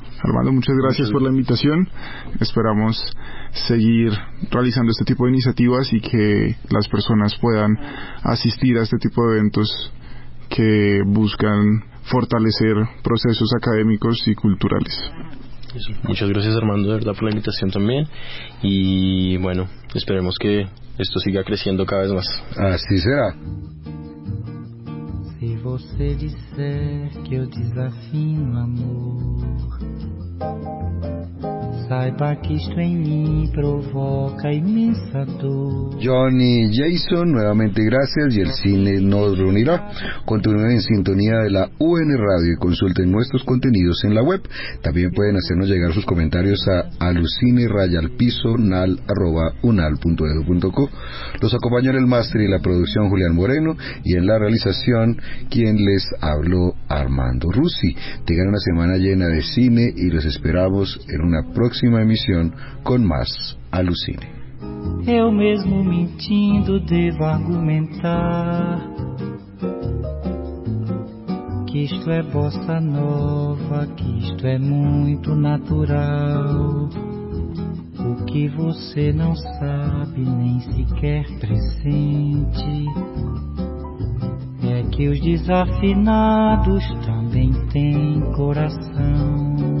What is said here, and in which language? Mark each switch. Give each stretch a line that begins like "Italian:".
Spanish: Armando, muchas gracias por la invitación. Esperamos seguir realizando este tipo de iniciativas y que las personas puedan asistir a este tipo de eventos que buscan fortalecer procesos académicos y culturales. Muchas gracias, Armando, de verdad, por la invitación también. Y bueno, esperemos que esto siga creciendo cada vez más. Así será.
Portuguese: Se você disser que eu desafino amor, saiba que isto em mim provoca imensa dor.
Spanish: Johnny, Jason, nuevamente gracias, y el cine nos reunirá. Continúen en sintonía de la UN Radio y consulten nuestros contenidos en la web. También pueden hacernos llegar sus comentarios a alucine@unal.edu.co. Los acompañó en el máster y la producción Julián Moreno, y en la realización quien les habló, Armando Rusi. Tengan una semana llena de cine y los esperamos en una próxima emisión con más Alucine.
Portuguese: Eu mesmo mentindo devo argumentar. que isto é bossa nova, que isto é muito natural. O que você não sabe, nem sequer pressente, é que os desafinados também têm coração.